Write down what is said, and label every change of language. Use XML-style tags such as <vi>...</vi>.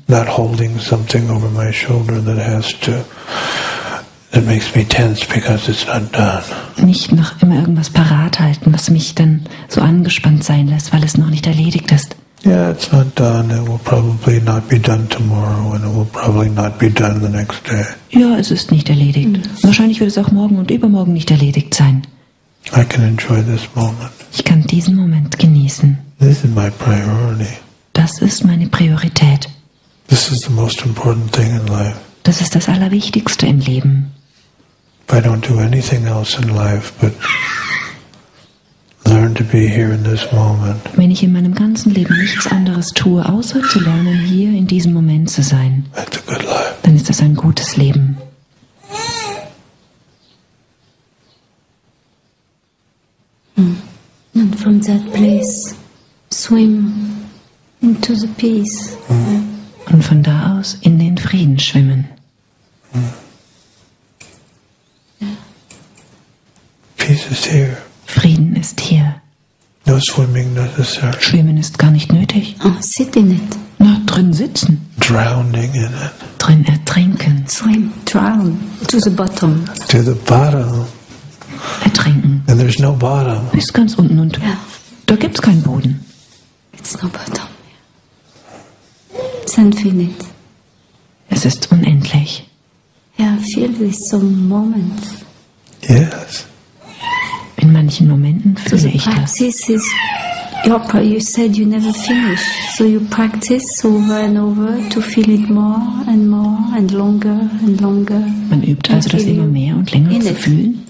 <en>Not holding something over my shoulder that has to, that makes me tense because it's not done.</en> <de>Nicht noch immer irgendwas parat halten, was mich dann so angespannt sein lässt, weil es noch nicht erledigt ist.</de> <en>Yeah, it's not done. It will probably not be done tomorrow and it will probably not be done the next day.</en> <de>Ja, es ist nicht erledigt. Wahrscheinlich wird es auch morgen und übermorgen nicht erledigt sein.</de> <en>I can enjoy this moment.</en> <de>Ich kann diesen Moment genießen.</de> <en>This is my priority.</en> <de>Das ist meine Priorität.</de> <en>This is the most important thing in life.</en> <de>Das ist das Allerwichtigste im Leben.</de> <en>If I don't do anything else in life, but learn to be here in this moment.</en> <de>Wenn ich in meinem ganzen Leben nichts anderes tue, außer zu lernen, hier in diesem Moment zu sein,</de> <en>that's a good life.</en> <de>Dann ist das ein gutes Leben.</de> <en>And from that place, swim into the peace.</en> <de>Und von da aus in den Frieden schwimmen.</de> <en>Peace is here.</en> <de>Frieden ist hier.</de> <en>No swimming necessary.</en> <de>Schwimmen ist gar nicht nötig.</de> <en>Oh, sit in it.</en> <de>Na, drin sitzen.</de> <en>Drowning in it.</en> <de>Drin ertrinken.</de> <en>Swim, drown to the bottom. To the bottom.</en> <de>Ertrinken.</de> <en>And there's no bottom.</en> <de>Bis ganz unten und da gibt's keinen Boden.</de> <en>It's no bottom. It's infinite.</en> <de>Es ist unendlich.</de> <en>Yeah, feel this some moments. Yes.</en> <de>In manchen Momenten fühle ich das.</de> <en>So the practice is, you said you never finish. So you practice over and over to feel it more and more and longer and longer.</en> <de>Man übt also das immer mehr und länger zu fühlen.</de>